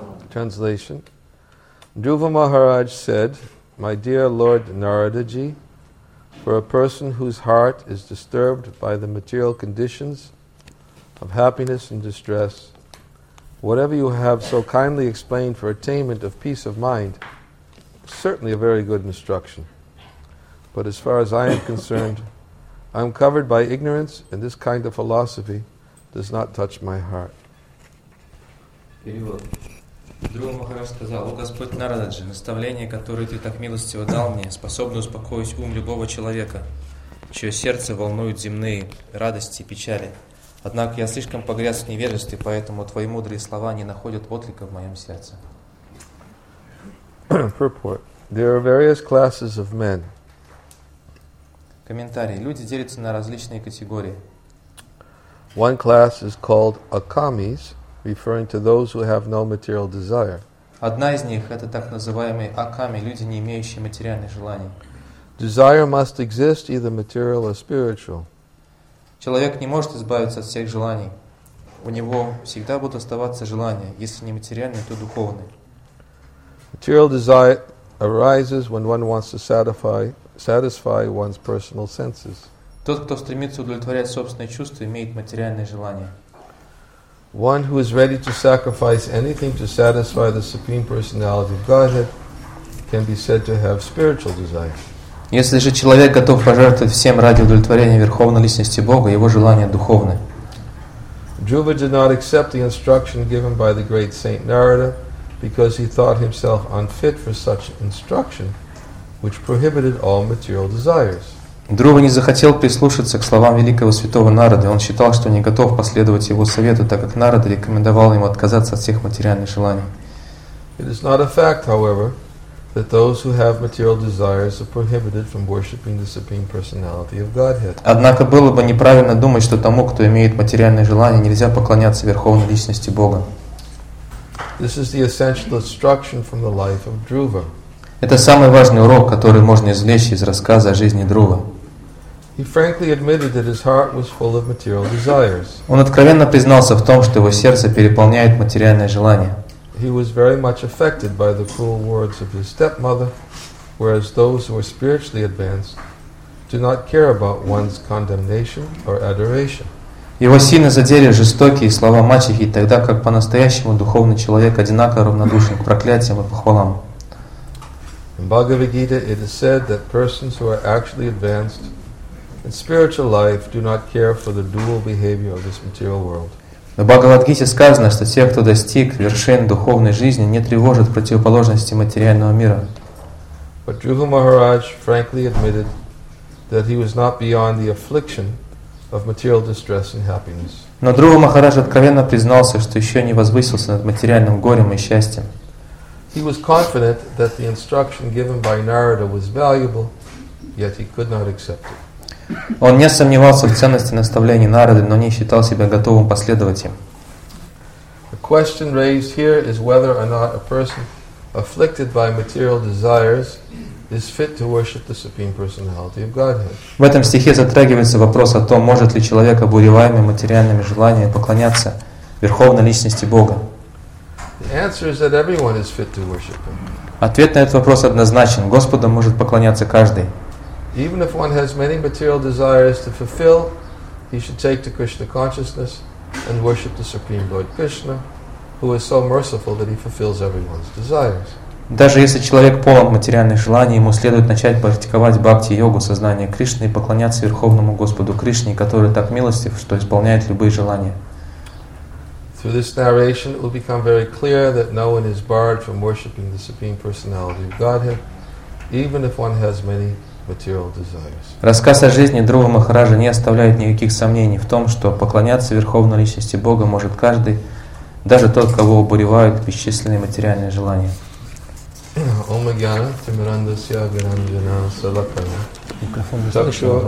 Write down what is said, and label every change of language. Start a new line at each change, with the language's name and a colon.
English: Translation. Dhruva Maharaj said, my dear Lord Naradaji, for a person whose heart is disturbed by the material conditions of happiness and distress, whatever you have so kindly explained for attainment of peace of mind, certainly a very good instruction. But as far as I am concerned, I am covered by ignorance, and this kind of philosophy does not touch my heart.
Russian: Другой Махарадж сказал, «О Господь Нарададжи, наставление, которое Ты так милостиво дал мне, способно успокоить ум любого человека, чье сердце волнуют земные радости и печали. Однако я слишком погряз в невежестве, поэтому Твои мудрые слова не находят отклика в моем сердце».
English: Purport. There are various classes of men.
Russian: Комментарий. Люди делятся на различные категории.
English: One class is called Akamis, referring to those who have no material desire.
Russian: Одна из них – это так называемые аками, люди, не имеющие материальных желаний.
English: Desire must exist, either material or spiritual.
Russian: Человек не может избавиться от всех желаний. У него всегда будут оставаться желания, если не материальные, то духовные.
English: Material desire arises when one wants to satisfy one's personal senses.
Russian: Тот, кто стремится удовлетворять собственные чувства, имеет материальные желания.
English: One who is ready to sacrifice anything to satisfy the Supreme Personality of Godhead can be said to have spiritual desire.
Russian: Если же человек готов пожертвовать всем ради удовлетворения Верховной Личности Бога, его желания духовны.
English: Dhruva did not accept the instruction given by the great Saint Narada because he thought himself unfit for such instruction, which prohibited all material desires.
Russian: Друва не захотел прислушаться к словам великого святого Нарады. Он считал, что не готов последовать его совету, так как Нарада рекомендовал ему отказаться от всех материальных желаний.
English: It is not a fact, however, that those who have material desires are prohibited from worshiping the Supreme Personality of Godhead.
Russian: Однако было бы неправильно думать, что тому, кто имеет материальные желания, нельзя поклоняться Верховной Личности Бога.
English: This is the essential instruction from the life of Dhruva.
Russian: Это самый важный урок, который можно извлечь из рассказа о жизни Друва.
English: He frankly admitted that his heart was full of material desires.
Russian: Он откровенно признался в том, что его сердце переполняет материальное желание.
English: He was very much affected by the cruel words of his stepmother, whereas those who are spiritually advanced do not care about one's condemnation or adoration.
Russian: Его сильно задели жестокие слова мачехи, тогда как по-настоящему духовный человек одинаково равнодушен к проклятиям и похвалам.
English: In Bhagavad Gita, it is said that persons who are actually advanced in spiritual life do not care for the dual behavior of this material world.
Russian: В Бхагавад Гите сказано, что те, кто достиг вершин духовной жизни, не тревожат противоположности материального мира.
English: But Dhruva Maharaj frankly admitted that he was not beyond the affliction of material distress and happiness.
Russian: Но Dhruva Maharaj откровенно признался, что еще не возвысился над материальным горем и счастьем.
English: He was confident that the instruction given by Narada was valuable, yet he could not accept it.
Russian: Он не сомневался в ценности наставлений Нарады, но не считал себя готовым последовать им.
English: The question raised here is whether or not a person afflicted by material desires is fit to worship the Supreme Personality of Godhead.
Russian: В этом стихе затрагивается вопрос о том, может ли человек, обуреваемый материальными желаниями, поклоняться Верховной Личности Бога.
English: The answer is that everyone is fit to worship him.
Russian: Ответ на этот вопрос однозначен. Господу может поклоняться каждый.
English: Even if one has many material desires to fulfill, he should take to Krishna consciousness and worship the Supreme Lord Krishna, who is so merciful that he fulfills everyone's desires.
Russian: Даже если человек полон материальных желаний, ему следует начать практиковать бхакти-йогу сознания Кришны и поклоняться Верховному Господу Кришне, который так милостив, что исполняет любые желания.
English: Through this narration, it will become very clear that no one is barred from worshipping the Supreme Personality of Godhead, even if one has many material desires.
Russian: Рассказ о жизни Друвы Махараджа не оставляет никаких сомнений в том, что поклоняться Верховной Личности Бога может каждый, даже тот, кого обуревают бесчисленные материальные желания.
Sanskrit: Ом гьяна тимирандасья гьянанджана салакана. Такшо